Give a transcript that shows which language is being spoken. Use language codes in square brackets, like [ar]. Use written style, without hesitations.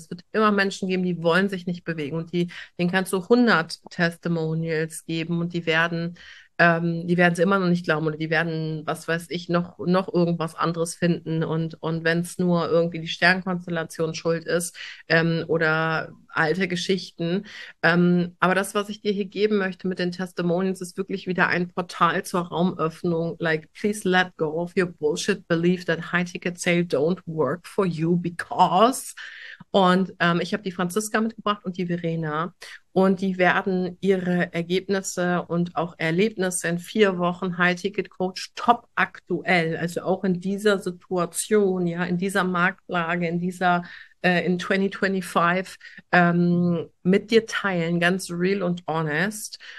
[de] Es wird immer Menschen geben, die wollen sich nicht bewegen und denen kannst du 100 Testimonials geben und die werden es immer noch nicht glauben oder die werden, was weiß ich, noch irgendwas anderes finden und wenn es nur irgendwie die Sternkonstellation schuld ist oder alte Geschichten. Aber das, was ich dir hier geben möchte mit den Testimonials, ist wirklich wieder ein Portal zur Raumöffnung. [en] Like, please let go of your bullshit belief that High-Ticket-Sale don't work for you because. [de] Und ich habe die Franziska mitgebracht und die Verena. Und die werden ihre Ergebnisse und auch Erlebnisse in 4 Wochen High-Ticket-Coach top aktuell, also auch in dieser Situation, ja, in dieser Marktlage, in dieser in 2025 mit dir teilen, ganz real und honest.